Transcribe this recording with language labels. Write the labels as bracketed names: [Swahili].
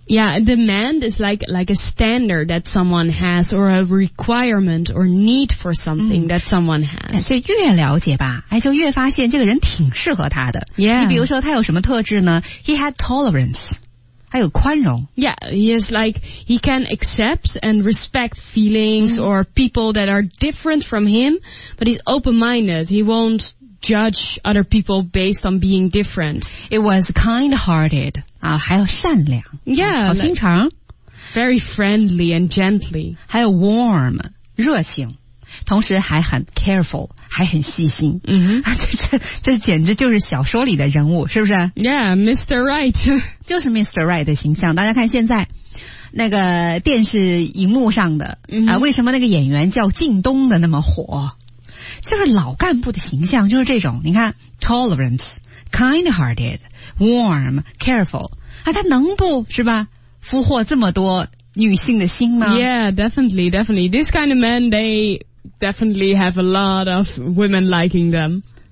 [English] Yeah, demand is like a standard that someone has, or a requirement or need for something that someone has. [Chinese] 所以越了解吧，哎，就越发现这个人挺适合他的。 [English] Yeah. [Chinese] 你比如说他有什么特质呢？ [English] He had tolerance. [Chinese] 还有宽容。 [English] Yeah, he is like, he can accept and respect feelings or people that are different from him, but he's open-minded. He won't judge other people based on being different. It was kind-hearted. [Chinese] 还有善良, [English] yeah, [Chinese] 好心肠, [English] like, very friendly and gently. [Chinese] 还有 warm, 热情, 同时还很 careful, 还很细心, mm-hmm. 这简直就是小说里的人物, 是不是? [English] Yeah, Mr. Right. [Chinese] 就是 Mr. Right的形象, 大家看现在, 那个电视荧幕上的, mm-hmm. 为什么那个演员叫靳东的那么火? 就是老干部的形象就是这种, 你看, tolerance, kind-hearted, warm, careful. 他能不是吧俘获这么多女性的心吗? [English] Yeah, definitely, definitely. This kind of men, they definitely have a lot of women liking them.